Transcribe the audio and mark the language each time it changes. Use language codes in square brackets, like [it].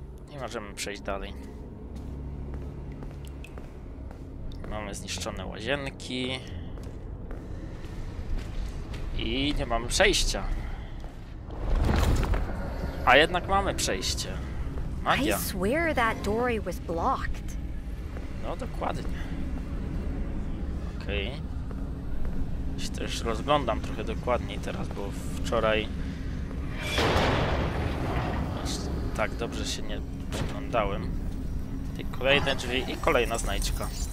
[pl] Nie możemy przejść dalej. Mamy zniszczone łazienki. I nie mamy przejścia. A jednak mamy przejście. Magia. [en] I swear that door was blocked. [pl] No dokładnie. Okej. Się też rozglądam trochę dokładniej teraz, bo wczoraj tak dobrze się nie przyglądałem. I kolejne drzwi i kolejna znajdźka.